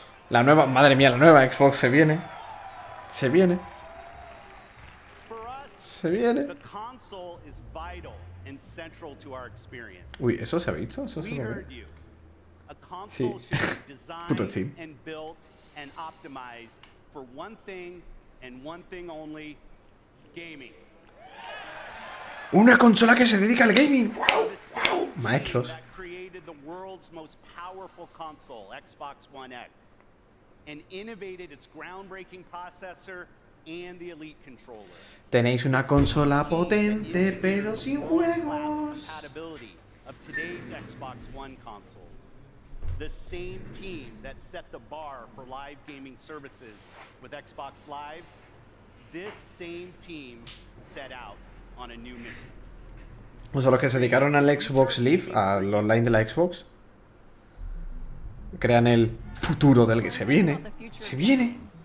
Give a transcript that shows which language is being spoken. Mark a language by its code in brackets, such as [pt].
[es] La nueva, madre mía, la nueva Xbox se viene. Se viene. Se viene. [en] The console is vital and central to our experience. [es] Uy, ¿eso se ha visto? ¿Eso se ha visto? [en] A console should be designed and built and optimized for one thing and one thing only, gaming. [es] Una consola que se dedica al gaming. Wow, maestros. [en] That created the world's most powerful console, Xbox One X. And innovated its groundbreaking processor and the Elite controller. [es] Tenéis una consola potente, pero sin juegos. [en] Of today's Xbox One consoles. The same team that set the bar for live gaming services with Xbox Live, this same team set out on a new mission. [es] O sea, los que se dedicaron al Xbox Live, al online de la Xbox, crean el futuro del que se viene. ¡Se viene!